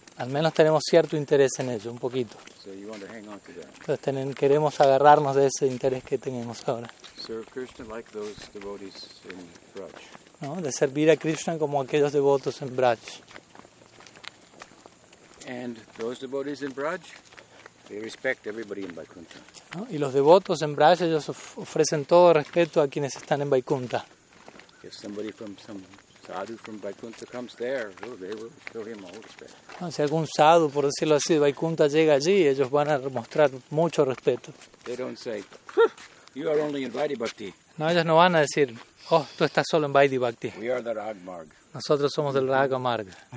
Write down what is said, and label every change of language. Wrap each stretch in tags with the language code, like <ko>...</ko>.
<es>Al menos tenemos cierto interés en ello, un poquito.</es> <en>So you want to hang on to that.</en> <es>Entonces queremos agarrarnos de ese interés que tenemos ahora.</es> <en>Serve Krishna like those devotees in Braj.</en> <es>¿No? De servir a Krishna como aquellos devotos en Braj.</es> <en>And those devotees in Braj, they respect everybody in Vaikuntha.</en> <es>¿No? Y los devotos en Braj, ellos ofrecen todo respeto a quienes están en Vaikuntha.</es> <en>If somebody from some sadhu from Vaikuntha comes there, they will show him all respect.</en> <es>¿No? Si algún sadhu, por decirlo así, de Vaikuntha llega allí, ellos van a mostrar mucho respeto.</es> <en>They don't say, you are only invited, Bhakti.</en> <es>No, ellos no van a decir, oh, tú estás solo en Vaidhi Bhakti.</es> <en>We are the Ragmarg.</en> <es>Nosotros somos del Ragmarg.</es>